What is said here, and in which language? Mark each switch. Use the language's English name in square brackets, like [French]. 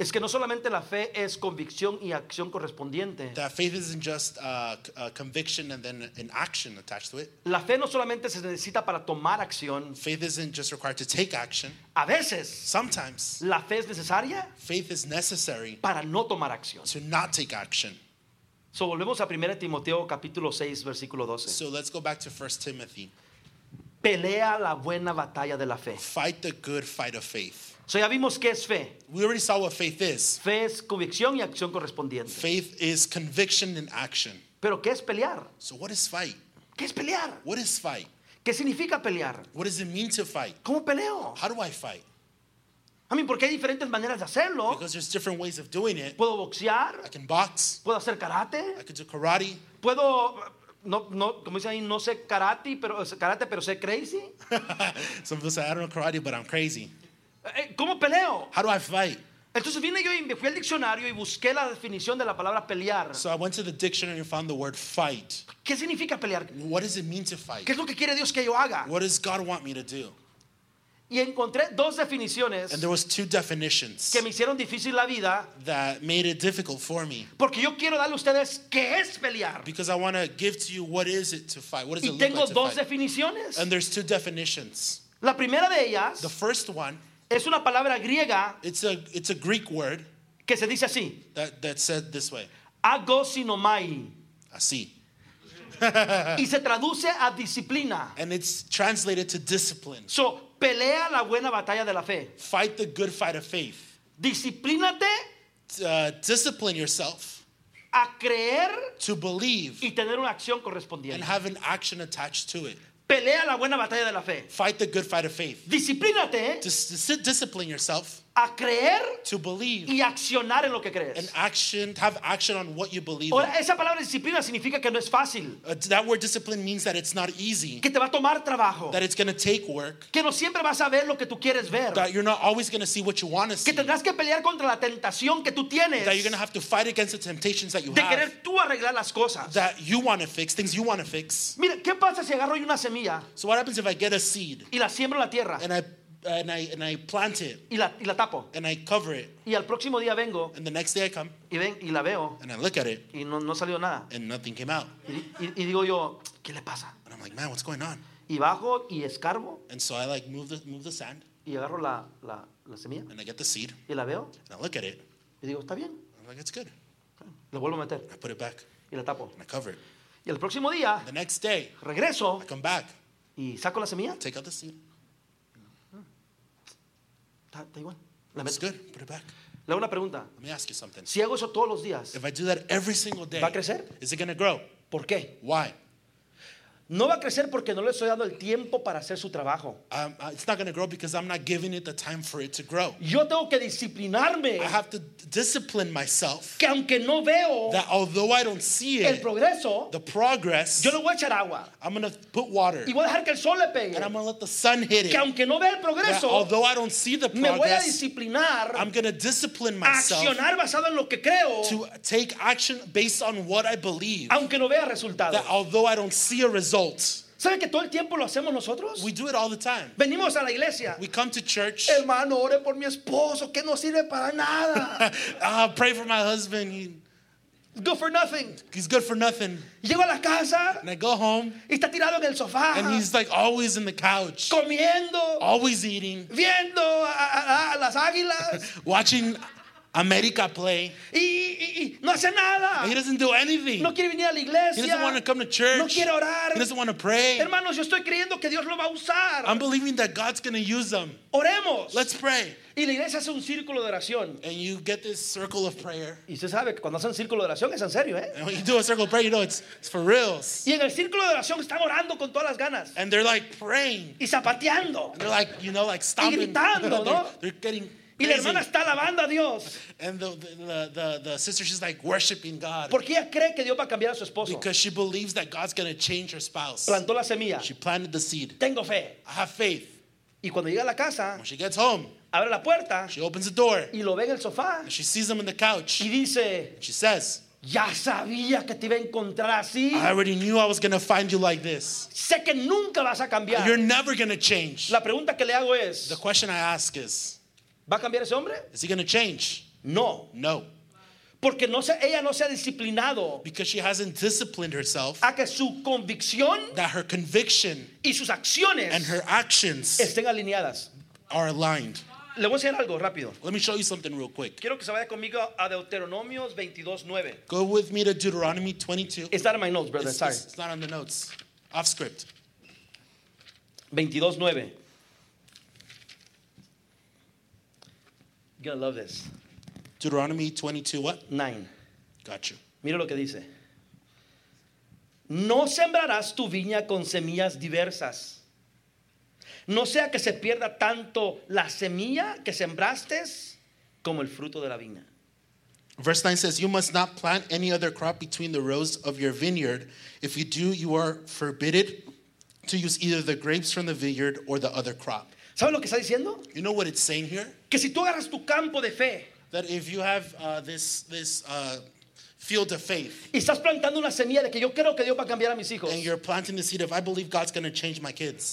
[Spanish] es que no solamente la fe es convicción y acción correspondiente. [English] That faith isn't just a conviction and then an action attached to it. [Spanish] La fe no solamente se necesita para tomar acción. [English] Faith isn't just required to take action. [Spanish] A veces, [English] sometimes, [Spanish] la fe es necesaria. [English] Faith is necessary [Spanish] para no tomar acción. [English] To not take action. [Spanish] So volvemos a 1 Timoteo capítulo 6 versículo 12. [English] So let's go back to 1 Timothy. [Spanish] Pelea la buena batalla de la fe. [English] Fight the good fight of faith. [Spanish] So ya vimos qué es fe. [English] We already saw what faith is. [Spanish] Fe es convicción y acción correspondiente. [English] Faith is conviction and action. [Spanish] Pero qué es pelear. [English] So what is fight? [Spanish] ¿Qué es pelear? [English] What is fight? [Spanish] ¿Qué significa pelear? [English] What does it mean to fight? [Spanish] ¿Cómo peleo? [English] How do I fight? I mean, [Spanish] porque hay diferentes maneras de hacerlo. [English] Because there's different ways of doing it. [Spanish] Puedo boxear. [English] I can box. [Spanish] Puedo hacer karate. [English] I can do karate. [Spanish] Puedo... No, como dicen ahí, no sé karate, pero sé crazy. [English] Some people say, I don't know karate, but I'm crazy. [Spanish] ¿Cómo peleo? [English] How do I fight? [Spanish] Entonces vine yo y me fui al diccionario y busqué la definición de la palabra pelear. [English] So I went to the dictionary and found the word fight. [Spanish] ¿Qué significa pelear? [English] What does it mean to fight? [Spanish] ¿Qué es lo que quiere Dios que yo haga? [English] What does God want me to do? [Spanish] Y encontré dos definiciones, [English] and there was two definitions, [Spanish] que me hicieron difícil la vida, [English] that made it difficult for me, [Spanish] porque yo quiero darle a ustedes qué es pelear, [English] because I want to give to you what is it to fight, what does [Spanish] y [English] it look like to fight. [Spanish] Y tengo dos definiciones, [English] and there's two definitions. [Spanish] La primera de ellas, [English] the first one, [Spanish] es una palabra griega, [English] it's a Greek word, [Spanish] que se dice así, [English] that said this way, agosinomai, [Spanish] así. Y se traduce a disciplina. [English] And it's translated to discipline. [Spanish] So, pelea la buena batalla de la fe. [English] Fight the good fight of faith. [Spanish] Disciplínate. [English] Discipline yourself. [Spanish] A creer. [English] To believe. [Spanish] Y tener una acción correspondiente. [English] And have an action attached to it. [Spanish] Pelea la buena batalla de la fe. [English] Fight the good fight of faith. [Spanish] Disciplínate. [English] Discipline yourself. [Spanish] A creer. [English] To believe. [Spanish] Y accionar en lo que crees. [English] And action, have action on what you believe. [Spanish] Ahora, esa palabra disciplina significa que no es fácil. [English] That word discipline means that it's not easy. [Spanish] Que te va a tomar trabajo. [English] That it's going to take work. [Spanish] Que no siempre vas a ver lo que tú quieres ver. [English] That you're not always going to see what you want to see. [Spanish] Que tendrás que pelear contra la tentación que tú tienes. [English] That you're going to have to fight against the temptations that you [Spanish] de [English] have. [Spanish] De querer tú arreglar las cosas. [English] That you want to fix, things you want to fix. [Spanish] Mira, ¿qué pasa si agarro una semilla? [English] So what happens if I get a seed? [Spanish] Y la siembro en la tierra. [English] And I plant it. [Spanish] Y la tapo. [English] And I cover it. [Spanish] Y al próximo día vengo. [English] And the next day I come. [Spanish] Y ven, y la veo. [English] And I look at it. [Spanish] Y no salió nada. [English] And nothing came out. [Spanish] Y digo yo, ¿qué le pasa? [English] And I'm like, man, what's going on? [Spanish] Y bajo y escarbo. [English] And so I like move the sand. [Spanish] Y agarro la semilla. [English] And I get the seed. [Spanish] Y la veo. [English] And I look at it. [Spanish] Y digo, está bien. [English] I'm like, it's good. [Spanish] Lo vuelvo a meter. [English] And I put it back. [Spanish] Y la tapo. [English] And I cover it. [Spanish] Y al próximo día. [English] The next day. [Spanish] Regreso. [English] I come back. [Spanish] Y saco la semilla. [English] Take out the seed. That's good. Put it back. [Spanish] Le hago una pregunta. [English] Let me ask you something. [Spanish] Si hago eso todos los días, [English] if I do that every single day, [Spanish] ¿va a crecer? [English] Is it going to grow? [Spanish] ¿Por qué? [English] Why? [Spanish] No va a crecer porque no le estoy dando el tiempo para hacer su trabajo. [English] It's not going to grow because I'm not giving it the time for it to grow. [Spanish] Yo tengo que disciplinarme. [English] I have to discipline myself. [Spanish] Que aunque no veo, [English] that although I don't see [Spanish] el progreso, [English] it, the progress, [Spanish] yo le voy a echar agua. [English] I'm going to put water. [Spanish] Y voy a dejar que el sol le pegue. [English] And I'm going to let the sun hit it. [Spanish] Que aunque no vea el progreso, [English] that although I don't see the progress, [Spanish] me voy a disciplinar. [English] I'm going to discipline myself. [Spanish] Accionar basado en lo que creo. [English] To take action based on what I believe. [Spanish] Aunque no vea resultados. [English] That although I don't see a result. [Spanish] ¿Sabe que todo el tiempo lo hacemos nosotros? [English] We do it all the time. [Spanish] Venimos a la iglesia. [English] We come to church. [Spanish] Hermano, ore por mi esposo, que no sirve para nada. [English] Pray for my husband. He, good for nothing. He's good for nothing. [Spanish] Llego a la casa. [English] And I go home. [Spanish] Y está tirado en el sofá. [English] And he's like always in the couch. [Spanish] Comiendo. [English] Always eating. [Spanish] Viendo a las águilas. [English] Watching America play. [Spanish] No hace nada. [English] He doesn't do anything. [Spanish] No quiere venir a la iglesia. [English] He doesn't want to come to church. [Spanish] No quiere orar. [English] He doesn't want to pray. [Spanish] Hermanos, yo estoy creyendo que Dios lo va a usar. [English] I'm believing that God's going to use them. [Spanish] Oremos. [English] Let's pray. [Spanish] Y la iglesia hace un círculo de oración. [English] And you get this circle of prayer. [Spanish] Y usted sabe que cuando hacen círculo de oración es en serio, ¿eh? [English] And when you do a circle of prayer, you know it's for reals. [Spanish] Y en el círculo de oración están orando con todas las ganas. [English] And they're like praying. [Spanish] Y zapateando. [English] And they're like, you know, like stomping. [Spanish] Y gritando, ¿no? [English] They're getting crazy. [Spanish] Y la hermana está alabando a Dios. [English] And the sister, she's like worshiping God. [Spanish] Porque ella cree que Dios va a cambiar a su esposo. [English] Because she believes that God's going to change her spouse. [Spanish] Plantó la semilla. [English] She planted the seed. [Spanish] Tengo fe. [English] I have faith. [Spanish] Y cuando llega a la casa, [English] when she gets home, [Spanish] abre la puerta, [English] she opens the door, [Spanish] y lo ve en el sofá, [English] and she sees him in the couch, [Spanish] y dice, [English] and she says, [Spanish] ya sabía que te iba a encontrar así. [English] I already knew I was going to find you like this. [Spanish] Sé que nunca vas a cambiar. [English] You're never going to change. [Spanish] La pregunta que le hago es, [English] the question I ask is, [Spanish] ¿va a cambiar ese hombre? [English] Is he going to change? [Spanish] No. [English] No. [Spanish] Porque no se, ella no se ha disciplinado. [English] Because she hasn't disciplined herself. [Spanish] A que su convicción. [English] That her conviction. [Spanish] Y sus acciones. [English] And her actions. [Spanish] Estén alineadas. [English] Are aligned. [Spanish] Le voy a enseñar algo rápido. [English] Let me show you something real quick. [Spanish] Quiero que se vaya conmigo a Deuteronomios 22:9. [English] Go with me to Deuteronomy 22. It's not in my notes, brother. Sorry. It's not on the notes. Off script. 22:9. You're gonna love this. Deuteronomy 22, what? 9. Got you. [Spanish] Mira lo que dice. No sembrarás tu viña con semillas diversas. No sea que se pierda tanto la semilla que sembraste como el fruto de la viña. [English] Verse 9 says, you must not plant any other crop between the rows of your vineyard. If you do, you are forbidden to use either the grapes from the vineyard or the other crop. [Spanish] ¿Sabes lo que está diciendo? [English] You know what it's saying here? [Spanish] Que si tú agarras tu campo de fe, [English] that if you have this field of faith, [Spanish] y estás plantando una semilla de que yo creo que Dios va a cambiar a mis hijos, [English] and you're planting the seed of I believe God's going to change my kids,